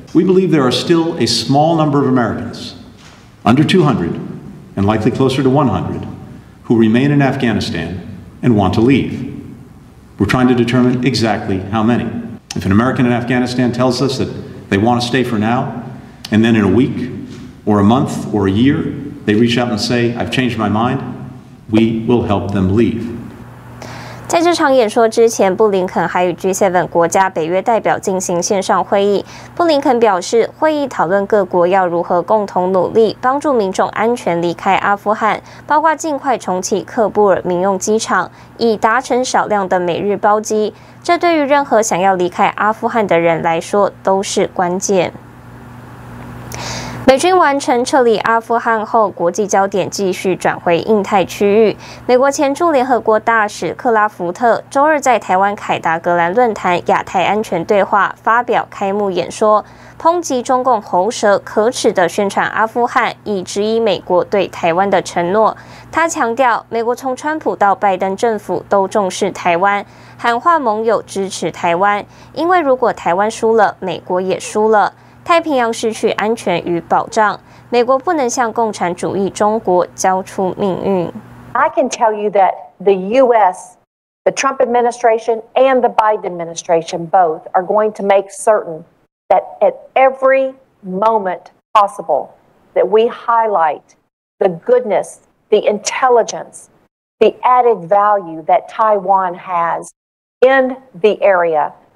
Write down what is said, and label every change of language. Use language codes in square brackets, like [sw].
[en] We believe there are still a small number of Americans, under 200 and likely closer to 100, who remain in Afghanistan and want to leave. We're trying to determine exactly how many. If an American in Afghanistan tells us that they want to stay for now, and then in a week, or a month, or a year,They reach out and say, "I've changed my mind. We will help them leave." [zh] 在这场演说之前，布林肯还与 G7 国家北约代表进行线上会议。布林肯表示，会议讨论各国要如何共同努力，帮助民众安全离开阿富汗，包括尽快重启喀布尔民用机场，以达成少量的美日包机。这对于任何想要离开阿富汗的人来说都是关键。美军完成撤离阿富汗后，国际焦点继续转回印太区域。美国前驻联合国大使克拉福特周二在台湾凯达格兰论坛亚太安全对话发表开幕演说，抨击中共喉舌可耻的宣传阿富汗，以质疑美国对台湾的承诺。他强调，美国从川普到拜登政府都重视台湾，喊话盟友支持台湾，因为如果台湾输了，美国也输了，太平洋失去安全与保障，美国不能向共产主义中国交出命运。 [en] I can tell you that the U.S., the Trump administration and the Biden administration both are going to make certain that at every moment possible that we highlight the goodness, the intelligence, the added value that Taiwan has in the area.